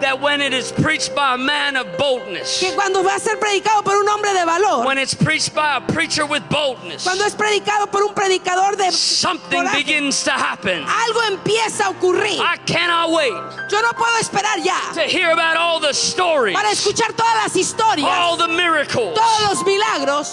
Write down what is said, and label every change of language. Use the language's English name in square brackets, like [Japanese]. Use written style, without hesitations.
[English] That when it is preached by a man of boldness, [Spanish] que cuando va a ser predicado por un hombre de valor, [English] when it's preached by a preacher with boldness, [Spanish] cuando es predicado por un predicador de [English] something [Spanish] coraje, [English] begins to happen. [Spanish] Algo empieza a ocurrir. [English] I cannot wait. [Spanish] Yo no puedo esperar ya. [English] To hear about all the stories, [Spanish] para escuchar todas las historias, [English] all the miracles, [Spanish] todos los milagros,